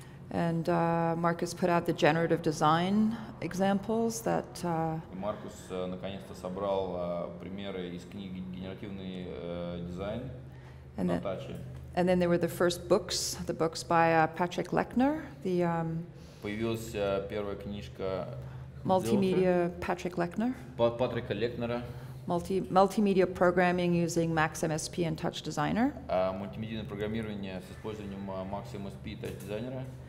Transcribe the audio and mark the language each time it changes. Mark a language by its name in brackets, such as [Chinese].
[English] And Marcus put out the generative design examples that. [Russian] Marcus наконец-то собрал примеры из книги «Генеративный дизайн» на Touch'е. [English] And then there were the first books, the books by Patrick Lechner. The. [Russian] Появилась первая книжка. [English] Multimedia Patrick Lechner. [Russian] Патрика Лекнера. [English] Multimedia programming using Max MSP and TouchDesigner. [Russian] Мультимедийное программирование с использованием Max MSP и TouchDesigner.